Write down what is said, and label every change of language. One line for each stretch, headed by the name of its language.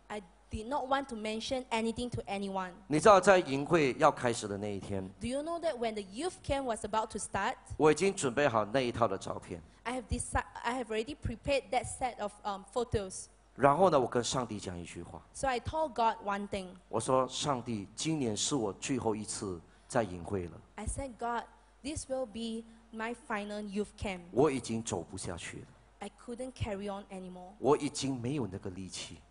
English: I did not want to mention anything to anyone.
Chinese: 你知道在营会要开始的那一天
English: ？Do you know that when the youth camp was about to start?
Chinese: 我已经准备好那一套的照片。
English: I have already prepared that set of photos.
Chinese: 然后呢，我跟上帝讲一句话。
English: So I told God one thing.
Chinese: 我说，上帝，今年是我最后一次在营会了。
English: I said, God, this will be. My final youth camp.
Chinese: 我已经走不下去了。
English: I couldn't carry on anymore.
Chinese: 我已经没有那个力气。